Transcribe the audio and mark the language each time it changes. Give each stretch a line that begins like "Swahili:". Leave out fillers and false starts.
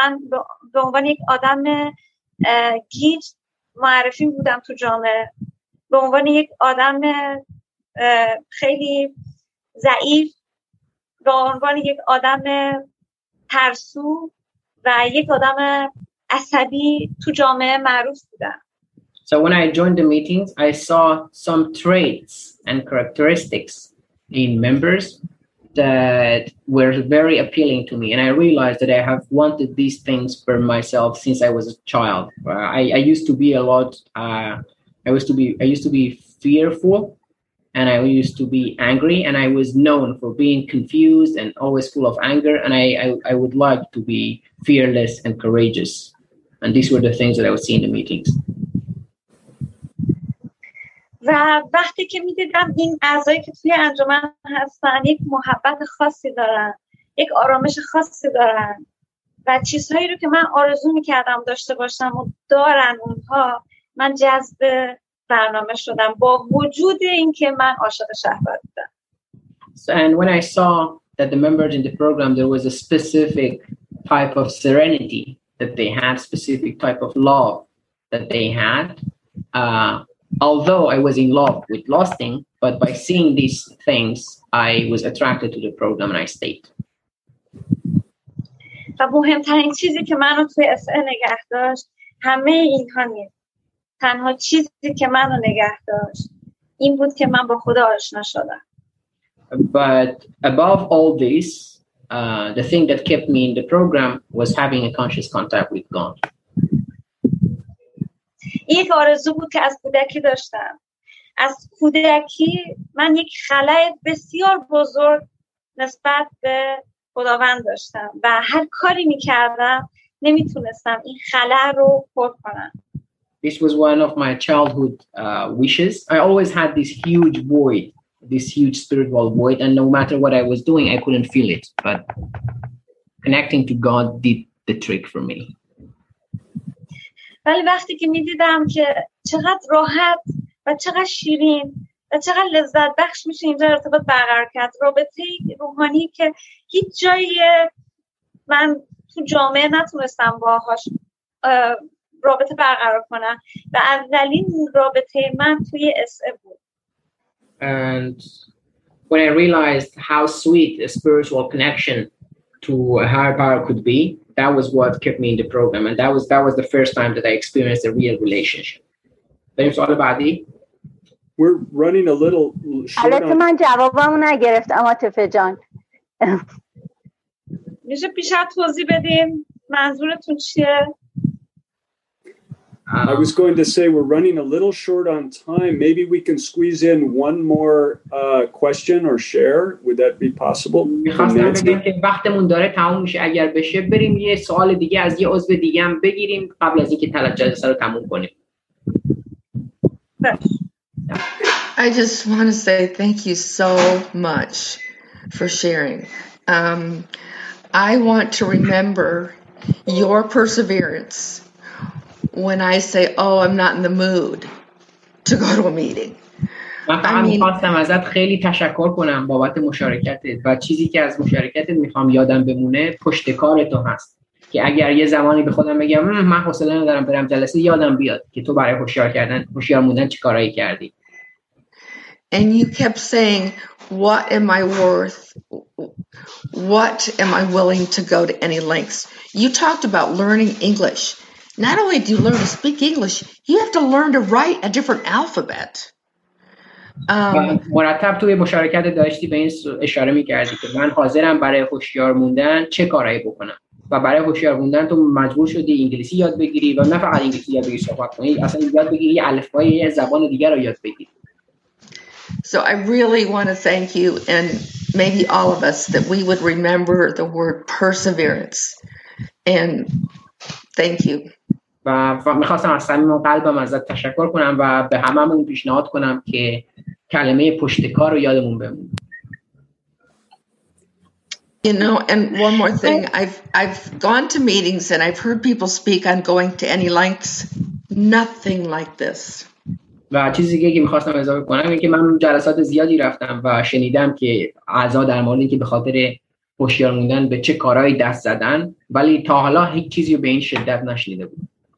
Persian: من به عنوان یک آدم گیج معرفی بودم تو جامعه، به عنوان یک آدم خیلی ضعیف، به عنوان یک آدم ترسو و یک آدم عصبی تو جامعه معروف بودم.
English: So when I joined the meetings, I saw some traits and characteristics in members that were very appealing to me, and I realized that I have wanted these things for myself since I was a child. I used to be fearful, and I used to be angry, and I was known for being confused and always full of anger, and I would like to be fearless and courageous, and these were the things that I would see in the meetings.
Persian: و وقتی که می دیدم این اعضایی که توی انجمن هستن یک محبت خاصی دارن، یک آرامش خاصی دارن و چیزهایی رو که من آرزو می کردم داشته باشم و دارن اونها، من جذب برنامه شدم با وجود این که من عاشق شهوت بودم.
English: So, and when I saw that the members in the program, there was a specific type of serenity that they had, specific type of love that they had, although I was in love with lusting, but by seeing these things, I was attracted to the program and I stayed.
Persian: و مهمترین چیزی که منو توی SL نگه داشت همه اینها نیست. تنها چیزی که منو نگه داشت این بود که من با خدا آشنا شدم.
English: But above all this, the thing that kept me in the program was having a conscious contact with God.
Persian: یک آرزو بود که از کودکی داشتم. از کودکی من یک خلأ بسیار بزرگ نسبت به خداوند داشتم و هر کاری می‌کردم نمی‌تونستم این خلأ رو پر کنم.
English: This was one of my childhood wishes. I always had this huge void, this huge spiritual void, and no matter what I was doing, I couldn't feel it. But connecting to God did the trick for me.
Persian: ولی وقتی که می دیدم که چقدر راحت و چقدر شیرین و چقدر لذت بخش می شه اینجا ارتباط برقرار کرد، رابطه روحانی که هیچ جایی من تو جامعه نتونستم باهاش رابطه برقرار کنم و اولین رابطه من توی SA بود.
English: And when I realized how sweet a spiritual connection to a higher power could be, that was what kept me in the program, and that was the first time that I experienced a real relationship. Thanks all about it. We're running a little short.
Persian: البته من جوابمو نگرفتم عاطفه جان. میشه پیش از توضیح بدیم منظورتون چیه؟
English: I was going to say we're running a little short on time. Maybe we can squeeze in one more question or share. Would that be possible?
Persian: می‌خواستم بگم که وقتمون داره تموم میشه، اگر بشه بریم یه سوال دیگه از یه عضو دیگه هم بگیریم قبل از اینکه تلاش جلسه رو تموم کنیم.
English: I just want to say thank you so much for sharing. I want to remember your perseverance when I say, oh, I'm not in the mood to go to a meeting.
Persian: می‌خواستم ازت خیلی تشکر کنم بابت مشارکتت و چیزی که از مشارکتت میخوام یادم بمونه پشت کار تو هست که اگر یه زمانی به خودم بگم من حوصله ندارم برم جلسه یادم بیاد که تو برای هوشیار موندن چه کارایی کردی.
English: And you kept saying, what am I worth? What am I willing to go to any lengths? You talked about learning English not only do you learn to speak English, you have to learn to write a different alphabet.
Persian: مرتب توی مشارکت داشتی به این اشاره میکردی که من حاضرم برای هوشیار موندن چه کارایی بکنم و برای هوشیار موندن تو مجبور شدی انگلیسی یاد بگیری و نه فقط انگلیسی یاد بگیری صحبت کنی اصلا یاد بگیری الفبای زبان دیگر رو یاد بگیری.
English: So I really want to thank you and maybe all of us that we would remember the word perseverance and thank you.
Persian: و میخواستم از صمیم قلبم ازت تشکر کنم و به هممون پیشنهاد کنم که کلمه پشتکار رو یادمون بمونه.
English: You know, and one more thing, I've gone to meetings and I've heard people speak on going to any lengths, nothing like this.
Persian: و چیزی که میخواستم اضافه کنم اینه که من جلسات زیادی رفتم و شنیدم که اعضا در مورد اینکه به خاطر هوشیار موندن به چه کارهایی دست زدن ولی تا حالا هیچ چیزی رو به این شدت نشنیده بودم.